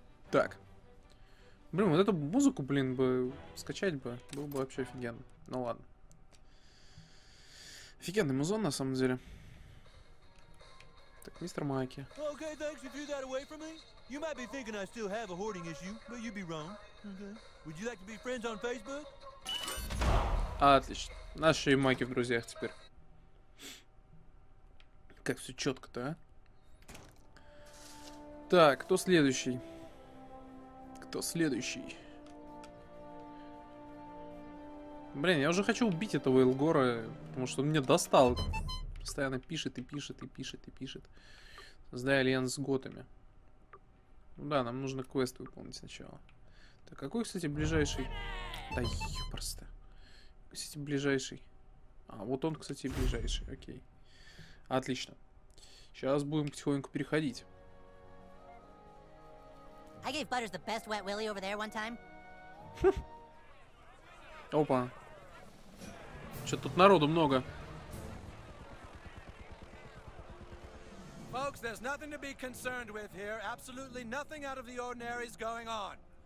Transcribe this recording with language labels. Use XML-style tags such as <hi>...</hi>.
<ru>Так. Блин, вот эту музыку, блин, бы скачать бы, было бы вообще офигенно. Ну ладно. Офигенный музон, на самом деле. Так, мистер Майки.</ru> <en>Okay, thanks. If you got away from me, you might be thinking I still have a hoarding issue, but you'd be wrong. Okay. Would you like to be friends on Facebook?</en> <ru>Отлично. Наши и Майки в друзьях теперь. Как все четко-то, а? Так, кто следующий? Кто следующий? Блин, я уже хочу убить этого Элгора, потому что он меня достал. Постоянно пишет и пишет и пишет и пишет. Создай альянс с готами. Ну да, нам нужно квест выполнить сначала. Так, какой, кстати, ближайший? Да ёпрста. Кстати, ближайший. А, вот он, кстати, ближайший, окей. Отлично. Сейчас будем потихоньку переходить.</ru> <en>I gave Butters the best wet willy over there one time.</en> <ru>Опа. Что тут народу много.</ru> <en>Folks, there's nothing to be concerned with here. Absolutely nothing out of the ordinary is going on.</en>